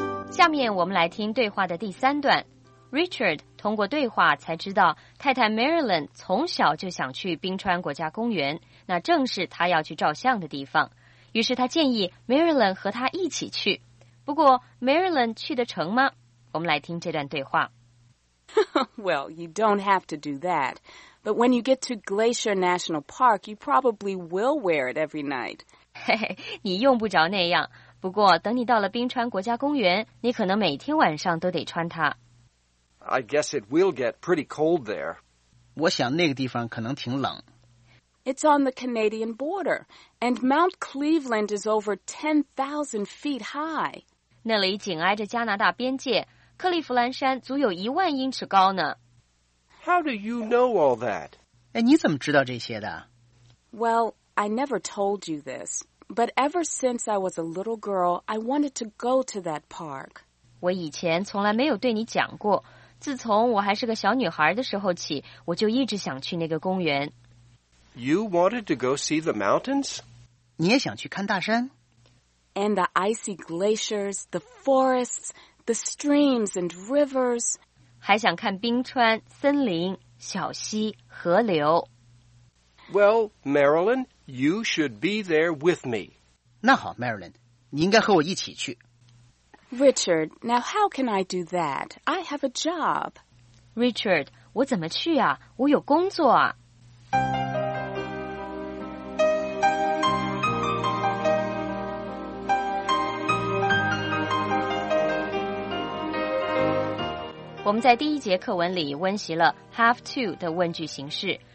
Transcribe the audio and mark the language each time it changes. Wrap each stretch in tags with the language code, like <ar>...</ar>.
<zh>下面我们来听对话的第三段。Richard 通过对话才知道太太 Marilyn 从小就想去冰川国家公园，那正是他要去照相的地方，于是他建议 Marilyn 和他一起去。不过 Marilyn 去得成吗？我们来听这段对话。</zh> <en>Well, you don't have to do that, but when you get to Glacier National Park, you probably will wear it every night.</en> <zh>你用不着那样，不过等你到了冰川国家公园，你可能每天晚上都得穿它。</zh> <en>I guess it will get pretty cold there.</en> <zh>我想那个地方可能挺冷。</zh> <en>It's on the Canadian border, and Mount Cleveland is over 10,000 feet high.</en> <zh>那里紧挨着加拿大边界，克利夫兰山足有一万英尺高呢。</zh> <en>How do you know all that?</en> <zh>哎，你怎么知道这些的？</zh> <en>Well, I never told you this. But ever since I was a little girl, I wanted to go to that park.</en> <zh>我以前从来没有对你讲过，自从我还是个小女孩的时候起，我就一直想去那个公园。</zh> <en>You wanted to go see the mountains?</en> <zh>你也想去看大山？</zh> <en>And the icy glaciers, the forests, the streams and rivers.</en> <zh>还想看冰川、森林、小溪、河流。</zh> <en>Well, Marilyn, you should be there with me.</en> <zh>那好 ,Marilyn, 你应该和我一起去。</zh> <en>Richard, now how can I do that? I have a job.</en> <zh>Richard, 我怎么去啊？我有工作啊。我们在第一节课文里温习了 have to 的问句形式。</zh>